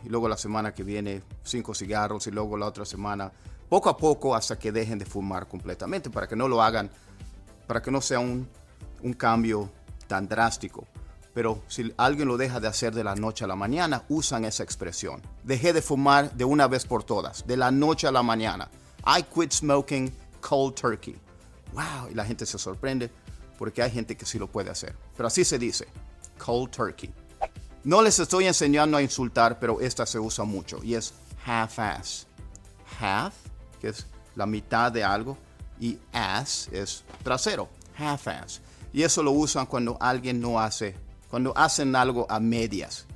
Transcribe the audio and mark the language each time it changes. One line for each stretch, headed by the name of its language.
Spanish: Y luego la semana que viene, 5 cigarros. Y luego la otra semana, poco a poco, hasta que dejen de fumar completamente. Para que no lo hagan, para que no sea un cambio tan drástico. Pero si alguien lo deja de hacer de la noche a la mañana, usan esa expresión. Dejé de fumar de una vez por todas, de la noche a la mañana.
English: I quit smoking cold turkey.
Spanish: Wow, y la gente se sorprende. Porque hay gente que sí lo puede hacer. Pero así se dice.
English: Cold turkey.
Spanish: No les estoy enseñando a insultar, pero esta se usa mucho. Y es half-ass. Half, que es la mitad de algo. y ass es trasero, half-ass. Y eso lo usan cuando alguien no hace, cuando hacen algo a medias.